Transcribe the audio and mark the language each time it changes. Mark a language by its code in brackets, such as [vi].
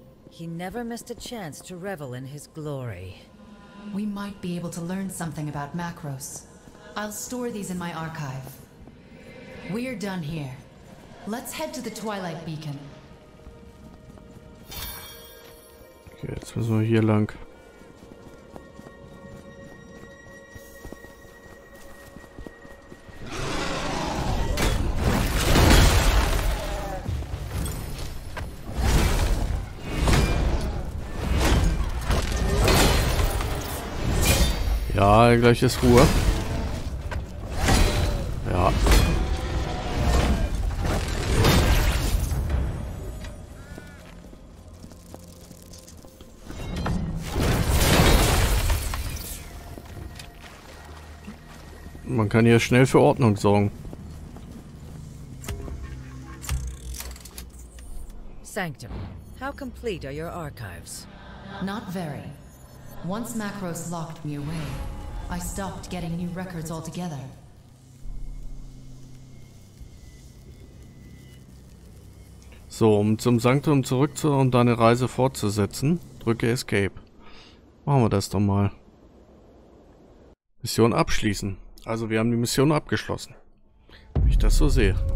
[en] He never missed a chance to revel in his glory. We might be able to learn something about Makros. I'll store these in my archive. We're done here. Let's head to the Twilight Beacon. [de] Okay, jetzt müssen wir hier lang. Ja, gleich ist Ruhe. Ja. Man kann hier schnell für Ordnung sorgen. [en] Sanctum, how complete are your archives? Not very. Once Makros locked me away. I stopped getting new records altogether. [de] So, um zum Sanktum zurückzukommen, um deine Reise fortzusetzen, drücke Escape. Machen wir das doch mal. Mission abschließen. Also, wir haben die Mission abgeschlossen. Wie ich das so sehe.